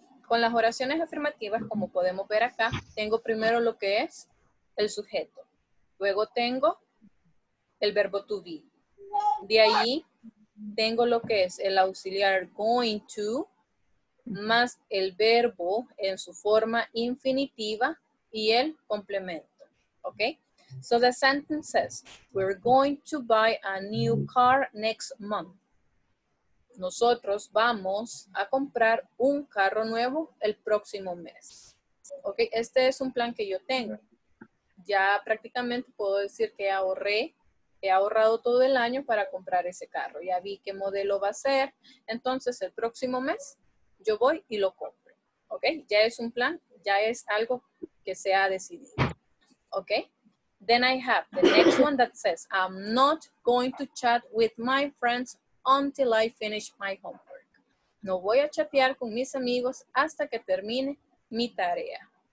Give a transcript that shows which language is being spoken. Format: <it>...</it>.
<es>Con las oraciones afirmativas, como podemos ver acá, tengo primero lo que es el sujeto. Luego tengo el verbo to be. De allí tengo lo que es el auxiliar going to más el verbo en su forma infinitiva y el complemento, ¿ok?</es> <en>So the sentence says, we're going to buy a new car next month.</en> <es>Nosotros vamos a comprar un carro nuevo el próximo mes. Ok, este es un plan que yo tengo. Ya prácticamente puedo decir que he ahorrado todo el año para comprar ese carro. Ya vi qué modelo va a ser. Entonces, el próximo mes yo voy y lo compro. Ok, ya es un plan, ya es algo que se ha decidido.</es> <en>Ok, then I have the next one that says, I'm not going to chat with my friends until I finish my homework.</en> <es>No voy a chatear con mis amigos hasta que termine mi tarea.</es>